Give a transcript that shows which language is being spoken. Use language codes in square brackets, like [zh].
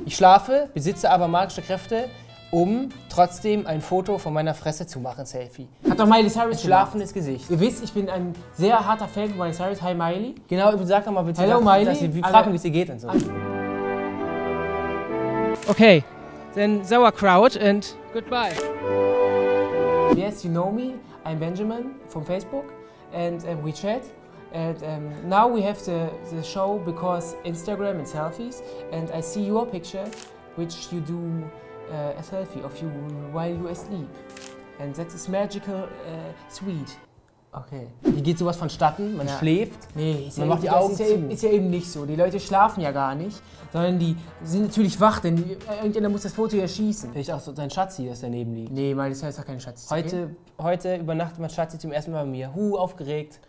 [de] Ich schlafe, besitze aber magische Kräfte, um trotzdem ein Foto von meiner Fresse zu machen, Selfie. Hat doch Miley Cyrus schlafendes Gesicht. Ihr wisst, ich bin ein sehr harter Fan von Miley Cyrus. Hi Miley. Genau, sag doch mal bitte. Hallo Miley. Dass sie, wir fragen, wie es dir geht und so. Okay, dann Sauerkraut und goodbye. [en] Yes, you know me. I'm Benjamin from Facebook, and we chat. And now we have the show because Instagram and selfies. And I see your picture, which you do a selfie of you while you asleep. And that is magical, sweet. Okay. [de] Wie geht sowas vonstatten? Man schläft? Nee, man macht die Augen zu. Ist ja eben nicht so. Die Leute schlafen ja gar nicht, sondern die sind natürlich wach, denn irgendjemand muss das Foto ja schießen. Vielleicht auch so dein Schatzi, das daneben liegt. Nee, mein, das ist doch kein Schatzi. Heute übernachtet mein Schatzi zum ersten Mal bei mir. Aufgeregt.